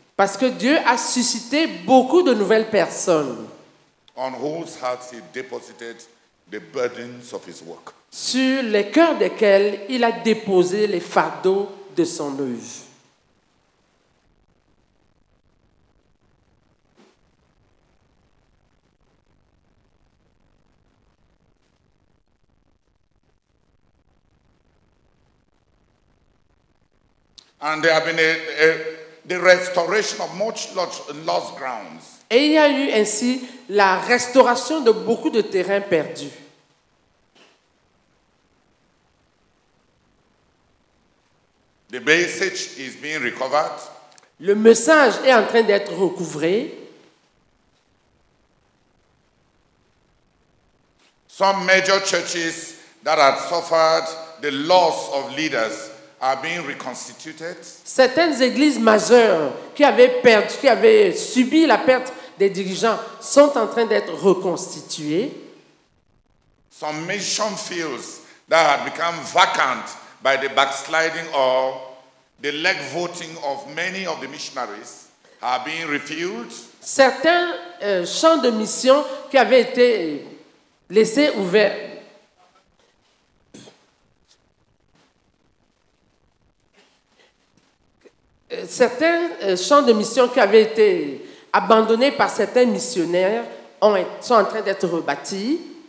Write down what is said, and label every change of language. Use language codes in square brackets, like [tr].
[fr] Parce que Dieu a suscité beaucoup de nouvelles personnes. [en] On whose hearts he deposited the burdens of his work. [fr] Sur les cœurs desquels il a déposé les fardeaux de son œuvre. [en] And there have been the restoration of much lost grounds. [fr] Et il y a eu ainsi la restauration de beaucoup de terrains perdus. [en] The message is being recovered. [fr] Le message est en train d'être recouvré. [en] Some major churches that had suffered the loss of leaders are being reconstituted. [fr] Certaines églises majeures qui avaient subi la perte des dirigeants sont en train d'être reconstituées. [en] Some mission fields that had become vacant by the backsliding or the leg voting of many of the missionaries are being refilled. [fr] Certains champs de mission qui avaient été laissés ouverts. Certains champs de mission qui avaient été abandonnés par certains missionnaires sont en train d'être rebâtis.